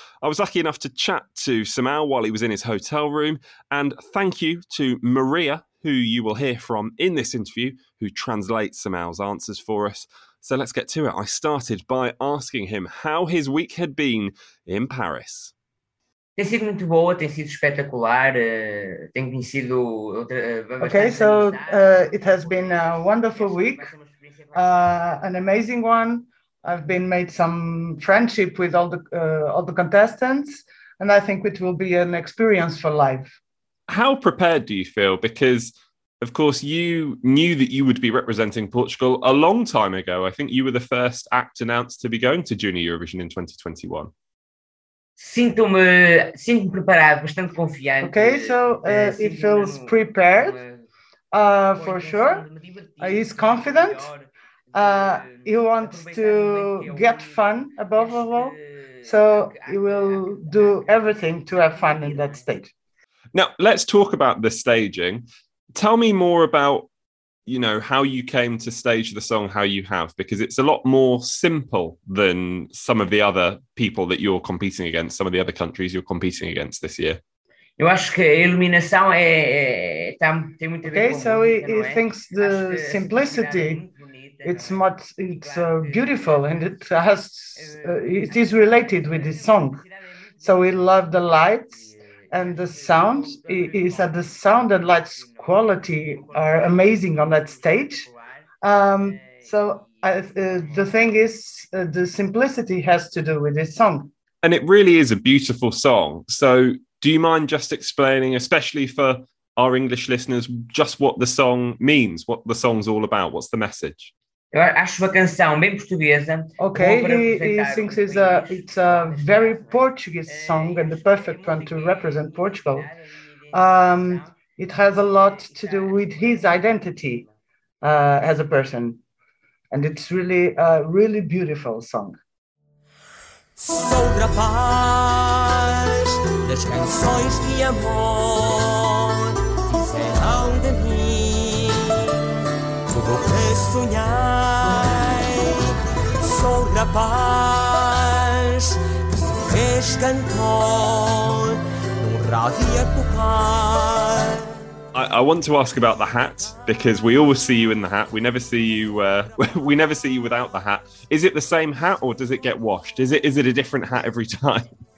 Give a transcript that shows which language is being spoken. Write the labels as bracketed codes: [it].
[en] I was lucky enough to chat to Samuel while he was in his hotel room. And thank you to Maria, who you will hear from in this interview, who translates Samuel's answers for us. So let's get to it. I started by asking him how his week had been in Paris. [pt] Tem sido muito boa, tem sido espetacular, tem conhecido... [en] Okay, so it has been a wonderful week, an amazing one. I've been made some friendship with all the contestants, and I think it will be an experience for life. How prepared do you feel? Because, of course, you knew that you would be representing Portugal a long time ago. I think you were the first act announced to be going to Junior Eurovision in 2021. [pt] Sinto-me preparado, bastante confiante. [en] Okay, so he feels prepared, for sure. He's confident. He wants to get fun above all, so he will do everything to have fun in that stage. Now, let's talk about the staging. Tell me more about, you know, how you came to stage the song, how you have, because it's a lot more simple than some of the other people that you're competing against, some of the other countries you're competing against this year. [pt] Eu acho que a iluminação é, tem muito a ver com... [en] Okay, so he thinks the simplicity, it's much, it's beautiful, and it has, it is related with the song. So we love the lights and the sound. He said the sound and lights quality are amazing on that stage. The thing is, the simplicity has to do with this song. And it really is a beautiful song. So do you mind just explaining, especially for our English listeners, just what the song means, what the song's all about, what's the message? Okay, he thinks it's a very Portuguese song and the perfect one to represent Portugal. It has a lot to do with his identity as a person. And it's really a really beautiful song. [pt] Sobre a paz das canções de amor fizeram de mim tudo que sonhei. Sobre a paz que se fez cantor num rádio a tocar. [en] I want to ask about the hat, because we always see you in the hat. We never see you without the hat. Is it the same hat or does it get washed? Is it a different hat every time?